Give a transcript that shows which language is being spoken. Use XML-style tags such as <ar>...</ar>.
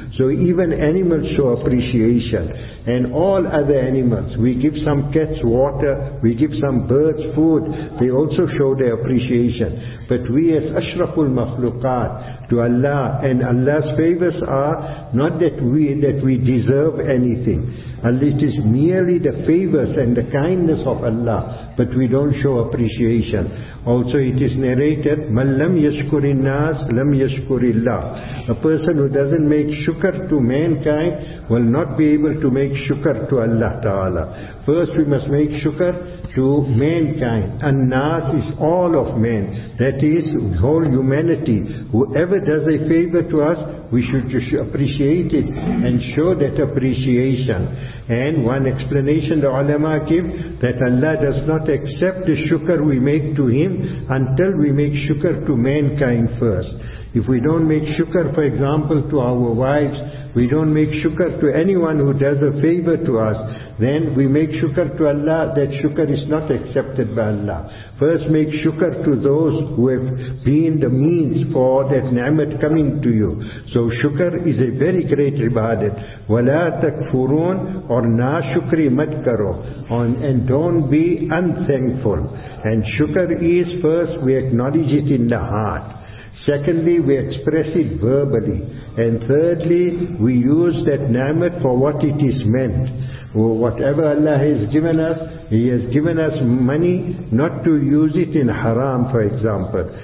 <en>So even animals show appreciation. And all other animals, we give some cats water, we give some birds food, they also show their appreciation. But we as Ashraful Makhlukat to Allah, and Allah's favors are not that we deserve anything. It is merely the favors and the kindness of Allah, but we don't show appreciation. Also it is narrated,</en> <ar>مَنْ لَمْ يَشْكُرِ النَّاسِ لَمْ يَشْكُرِ اللَّهِ.</ar> <en>A person who doesn't make shukr to mankind will not be able to make shukr to Allah Ta'ala. First we must make shukr to mankind. An-nas is all of man. That is whole humanity. Whoever does a favor to us, we should just appreciate it and show that appreciation. And one explanation the ulama give, that Allah does not accept the shukr we make to Him until we make shukr to mankind first. If we don't make shukr, for example, to our wives, we don't make shukr to anyone who does a favor to us, then we make shukr to Allah, that shukr is not accepted by Allah. First make shukr to those who have been the means for that ni'mat coming to you. So shukr is a very great ibadat.</en> <ar>وَلَا تَكْفُرُونَ</ar> <en>or</en> <ur>نَا شُكْرِ مَتْ كَرُوا</ur> <en>and don't be unthankful. And shukr is, first we acknowledge it in the heart. Secondly, we express it verbally. And thirdly, we use that ni'mat for what it is meant. Whatever Allah has given us, He has given us money, not to use it in haram, for example.</en>